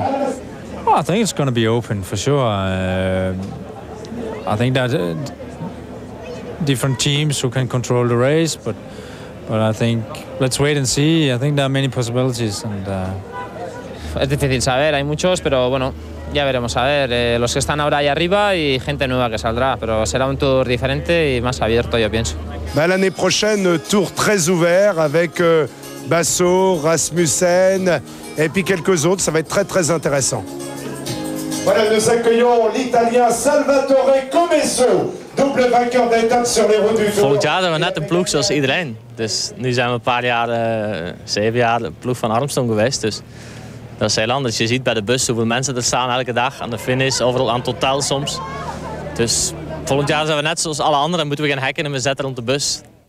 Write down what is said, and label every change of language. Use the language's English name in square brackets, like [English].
[English] Well, I think it's going to be open for sure. I think that different teams who can control the race, but I think let's wait and see. I think there are many possibilities and. [Spanish] Es difícil saber, hay muchos, pero bueno, ya veremos a ver. Los que están ahora ahí arriba y gente nueva que saldrá, pero será un tour diferente y más abierto, yo pienso. [French] Bah, l'année prochaine, tour très ouvert avec Basso, Rasmussen et puis quelques autres, ça va être très très intéressant. Voilà, nous accueillons l'Italien Salvatore Comesso, double vainqueur d'étape sur les routes du Tour. [Dutch] Volgend jaar hebben we net een ploeg zoals iedereen. Dus nu zijn we een paar jaar, zeven jaar de ploeg van Armstrong geweest, dus. Dat is heel anders. Je ziet bij de bus hoeveel mensen er staan elke dag aan de finish, overal aan het hotel soms. Dus volgend jaar zijn we net zoals alle anderen, moeten we gaan hacken en we zetten rond de bus.